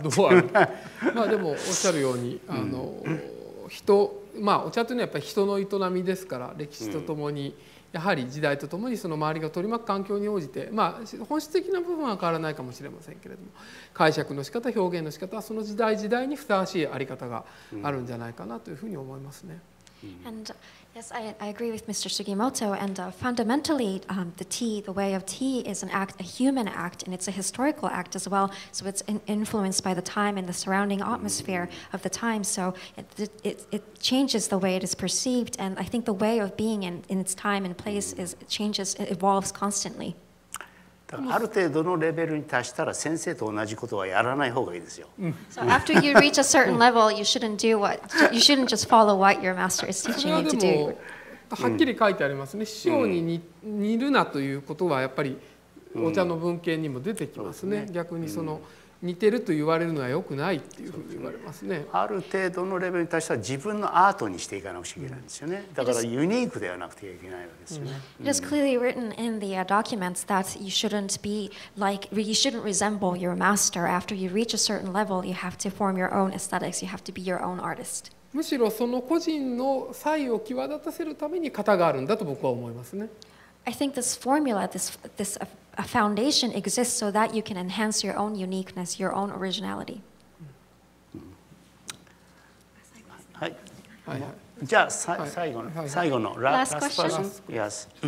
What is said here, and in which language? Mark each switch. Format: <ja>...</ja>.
<ja>と、ね、まあでもおっしゃるようにあの、人、まあ、お茶というのはやっぱり人の営みですから、歴史とともにやはり時代とともにその周りが取り巻く環境に応じて、まあ、本質的な部分は変わらないかもしれませんけれども、解釈の仕方、表現の仕方はその時代時代にふさわしいあり方があるんじゃないかなというふうに思いますね。</ja> <en>And yes, I agree with Mr. Sugimoto. And fundamentally, the tea, the way of tea, is an act, a human act, and it's a historical act as well. So it's influenced by the time and the surrounding atmosphere of the time. So it changes the way it is perceived. And I think the way of being in its time and place is it changes, it evolves constantly.</en> <ja>ある程度のレベルに達したら先生と同じことはやらない方がいいですよ。</ja> <en>So after you reach a certain level, you shouldn't do what you shouldn't just follow what your master is teaching you to do.</en> <ja>はっきり書いてありますね。師匠に似るなということはやっぱりお茶の文献にも出てきますね。逆にその似てると言われるのは良くないっていうふうに言われますね。ある程度のレベルに達したら自分のアートにしていかなくちゃいけないんですよね。だからユニークではなくてはいけないわけですよね。</ja> <en>It is clearly written in the documents that you shouldn't be like, you shouldn't resemble your master. After you reach a certain level, you have to form your own aesthetics. You have to be your own artist.</en> <ja>むしろその個人の才を際立たせるために型があるんだと僕は思いますね。</ja> <en>I think this formula, this a foundation exists so that you can enhance your own uniqueness, your own originality. Last question. Yes.</en>